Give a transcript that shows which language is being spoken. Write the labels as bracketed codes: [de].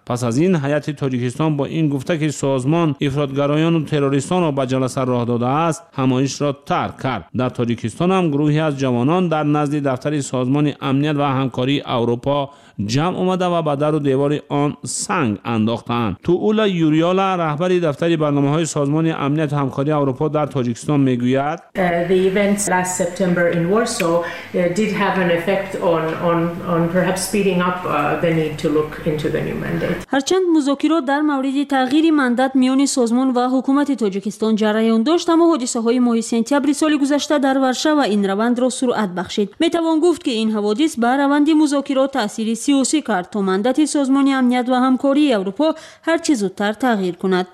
[fa] پس از این هیئت تاجیکستان با این گفته که سازمان افراطگرایان و تروریستان را به جلسه راه داده است، همایش را ترک کرد. در تاجیکستان هم گروهی از جوانان در نزد دفتر سازمان امنیت و همکاری اروپا جمع آمده و به در و دیوار آن سنگ انداختند. تولا یوریولا رهبر دفتر برنامه‌های سازمان امنیت و همکاری اروپا در تاجیکستان میگوید: [en] The events last September in Warsaw did have an effect on perhaps speeding up the need to look into the new mandate. [fa] هرچند مذاکرات در مورد تغییر مندات میان سازمان و حکومت تاجیکستان جریان داشت، اما حادثه های ماه سپتامبر سال گذشته در ورشو این روند را سرعت بخشید. می توان گفت که این حوادث بر روند مذاکرات تاثیر سیاسی کرد تا مندات سازمان امنیت و همکاری اروپا هر چه زودتر تغییر کند.